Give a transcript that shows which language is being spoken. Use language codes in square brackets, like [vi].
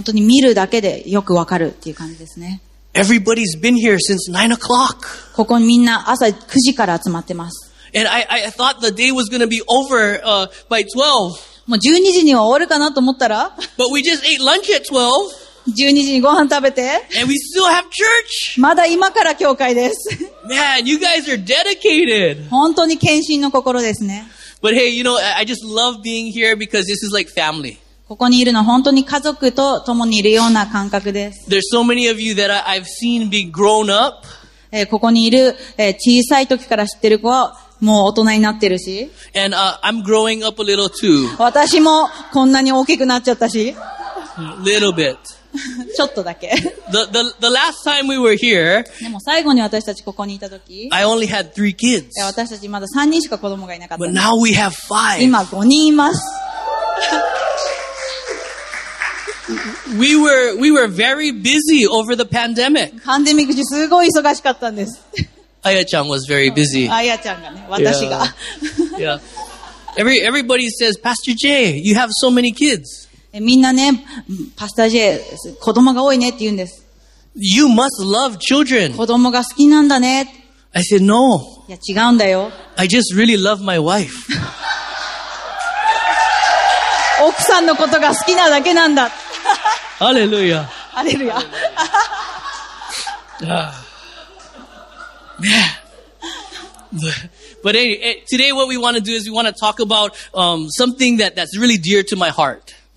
[ja] 皆様がなさるすべてが本当に心が、本当に見るだけでよくわかるっていう感じですね。 [en] Everybody's been here since 9 o'clock. [ja] ここみんな朝9時から集まってます。 [en] And I thought the day was going to be over, by 12. [ja] もう12時には終わるかなと思ったら。 [en] But we just ate lunch at 12. [ja] 12時にご飯食べて。 [en] And we still have church. [ja] まだ今から教会です。 [en] Man, you guys are dedicated. [ja] 本当に献身の心ですね。 [en] But hey, you know, I just love being here because this is like family. [ja] ここにいるのは本当に家族と共にいるような感覚です。 [en] There's so many of you that I've seen be grown up. [ja] ここにいる小さい時から知ってる子はもう大人になってるし。 [en] And I'm growing up a little too. [ja] 私もこんなに大きくなっちゃったし。 [en] Little bit. [ja] ちょっとだけ [en] the last time we were here [ja] でも最後に私たちここにいた時 [en] I only had 3 kids [ja] 私たちまだ3人しか子供がいなかった [en] But now we have 5 [ja] 今5人います [en] We were very busy over the pandemic [ja] パンデミック時すごい忙しかったんです [en] Aya-chan was very busy [ja] Aya-chan がね私が [en] Yeah Everybody says Pastor Jay you have so many kids [ja] みんなね、パスタジェ、子供が多いねって言うんです。 [en] You must love children. [ja] 子供が好きなんだね。 [en] I said no. [ja] いや、違うんだよ。 [en] I just really love my wife. [ja] 奥さんのことが好きなだけなんだ。ハレルヤ。ハレルヤ。ああ。ね。 [en] But anyway, today what we want to do is we want to talk about something that's really dear to my heart.